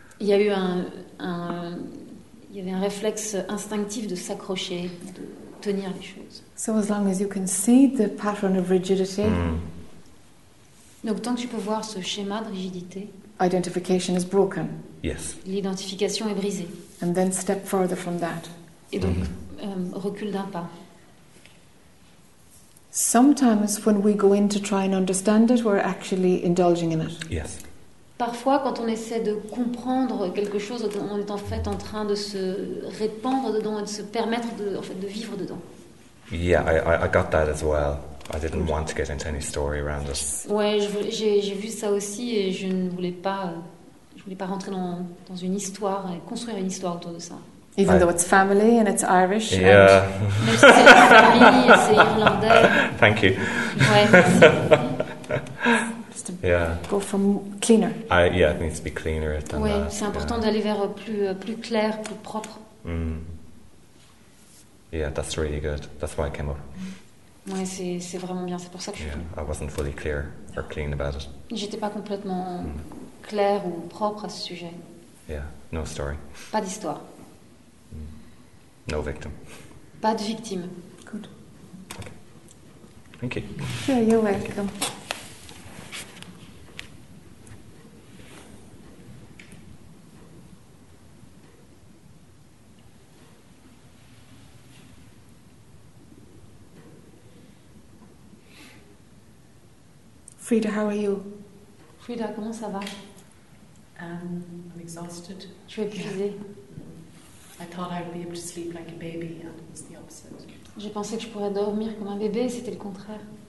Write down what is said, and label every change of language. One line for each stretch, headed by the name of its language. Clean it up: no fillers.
French: Il y a eu un réflexe instinctif de s'accrocher, de tenir les choses.
English: So as long as you can see the pattern of rigidity. Mm.
French: Donc tant que tu peux voir ce schéma de rigidité.
English: Identification is broken. Yes.
French: L'identification est brisée.
English: And then step further from that.
French: Et donc, recule d'un pas.
English: Sometimes when we go in to try and understand it, we're actually indulging in it. Yes.
French: Parfois, quand on essaie de comprendre quelque chose, on est en fait en train de se répandre dedans et de se permettre de vivre dedans.
English: Yeah, I got that as well. I didn't want to get into any story around this.
French: Ouais, j'ai vu ça aussi et je voulais pas rentrer dans une histoire et construire une histoire autour de ça.
English: Even though it's family and it's Irish. Yeah. And
French: même si c'est famille et c'est irlandais.
English: Thank you.
French: Ouais. Merci. Yeah.
English: Go from cleaner. It needs to be cleaner than
French: ouais,
English: that.
French: C'est important d'aller vers plus clair, plus propre.
English: Mm. Yeah, that's really good. That's why I came up.
French: Ouais, c'est vraiment bien. C'est pour ça que
English: I wasn't fully clear or clean about it.
French: J'étais pas complètement clair ou propre à ce sujet.
English: Yeah, no story.
French: Pas d'histoire.
English: No victim.
French: Pas de victime.
English: Good. Okay. Thank you. Sure, you're welcome. Frida, how are you?
French: Frida, comment ça va?
English: I'm exhausted.
French: Tu es épuisée.
English: I thought I would be able to sleep like a baby, and it was the opposite.
French: J'ai pensé que je pourrais dormir comme un bébé, c'était le contraire.